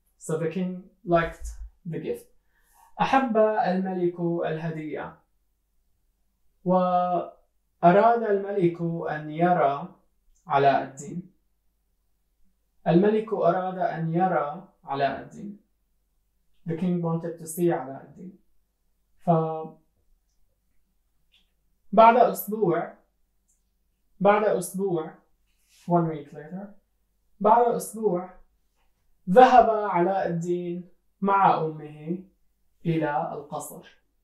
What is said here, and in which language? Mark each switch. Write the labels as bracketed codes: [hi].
[en] So the king liked the gift. [ar] أحب الملك الهدية. وأراد الملك أن يرى علاء الدين. الملك أراد أن يرى علاء الدين. [en] The king wanted to see علاء الدين. [ar] فبعد أسبوع، بعد أسبوع، [en] one week later، [ar] بعد أسبوع ذهب علاء الدين مع أمه إلى القصر.